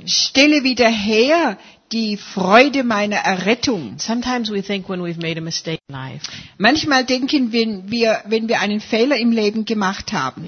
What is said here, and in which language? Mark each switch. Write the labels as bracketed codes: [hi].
[de] Und stelle wieder her die Freude meiner Errettung. [en] Sometimes we think when we've made a mistake in life. [de] Manchmal denken wir, wenn wir einen Fehler im Leben gemacht haben,